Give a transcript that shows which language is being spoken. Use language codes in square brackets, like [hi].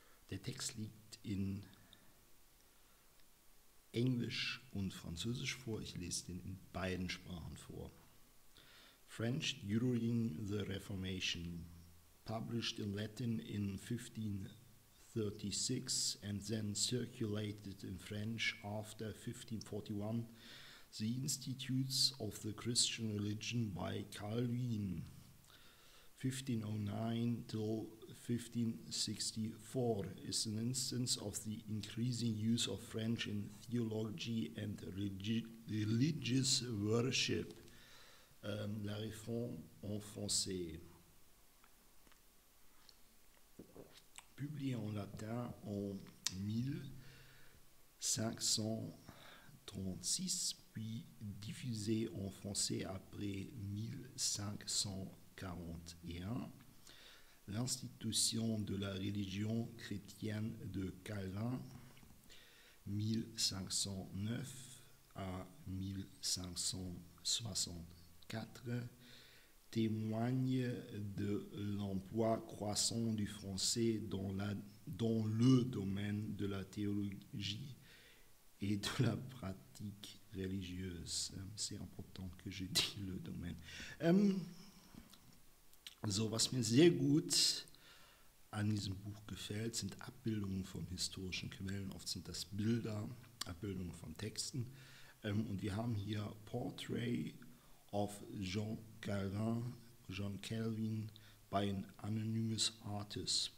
[de] Der Text liegt in Englisch und Französisch vor. Ich lese den in beiden Sprachen vor. [en] French during the Reformation, published in Latin in 1536 and then circulated in French after 1541, The Institutes of the Christian Religion by Calvin, 1509 till 1564, is an instance of the increasing use of French in theology and religious worship. [fr] La Réforme en Français, publié en latin en 1536, puis diffusé en français après 1541. L'institution de la religion chrétienne de Calvin, 1509 à 1560. 4 témoigne de l'emploi croissant du français dans le domaine de la théologie et de la pratique religieuse. C'est important que je dise le domaine. [de] So, was mir sehr gut an diesem Buch gefällt, sind Abbildungen von historischen Quellen. Oft sind das Bilder, Abbildungen von Texten. Und wir haben hier [en] Portrait of John Calvin by an anonymous artist.